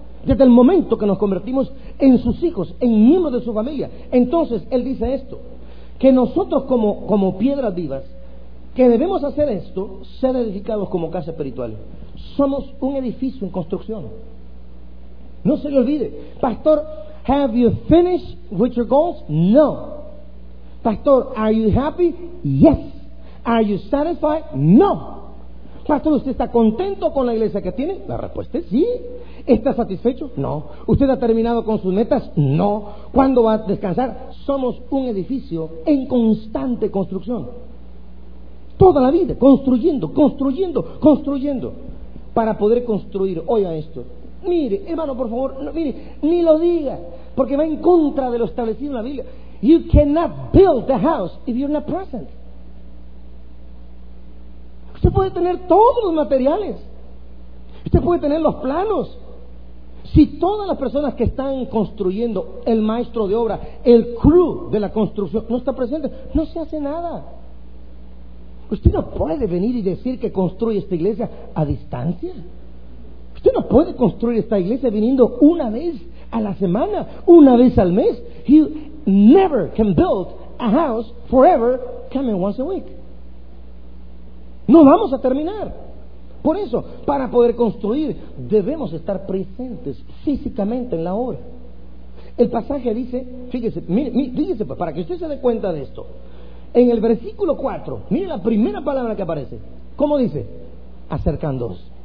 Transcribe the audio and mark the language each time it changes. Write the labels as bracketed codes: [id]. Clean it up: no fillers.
[es] Desde el momento que nos convertimos en sus hijos, en miembros de su familia. Entonces, él dice esto, que nosotros como piedras vivas, que debemos hacer esto, ser edificados como casa espiritual. Somos un edificio en construcción. No se le olvide. [en] Pastor, have you finished with your goals? No. Pastor, are you happy? Yes. Are you satisfied? No. [es] Pastor, ¿usted está contento con la iglesia que tiene? La respuesta es sí. ¿Está satisfecho? No. ¿Usted ha terminado con sus metas? No. ¿Cuándo va a descansar? Somos un edificio en constante construcción. Toda la vida, construyendo, construyendo, construyendo. Para poder construir, oiga esto. Mire, hermano, por favor, no, mire, ni lo diga, porque va en contra de lo establecido en la Biblia. [en] You cannot build the house if you're not present. [es] Usted puede tener todos los materiales, usted puede tener los planos. Si todas las personas que están construyendo, el maestro de obra, el crew de la construcción, no está presente, no se hace nada. Usted no puede venir y decir que construye esta iglesia a distancia. Usted no puede construir esta iglesia viniendo una vez a la semana, una vez al mes. [en] He never can build a house forever coming once a week. [es] No vamos a terminar. Por eso, para poder construir, debemos estar presentes físicamente en la obra. El pasaje dice, fíjese, fíjese, para que usted se dé cuenta de esto. En el versículo 4, mire la primera palabra que aparece. ¿Cómo dice? Acercándoos.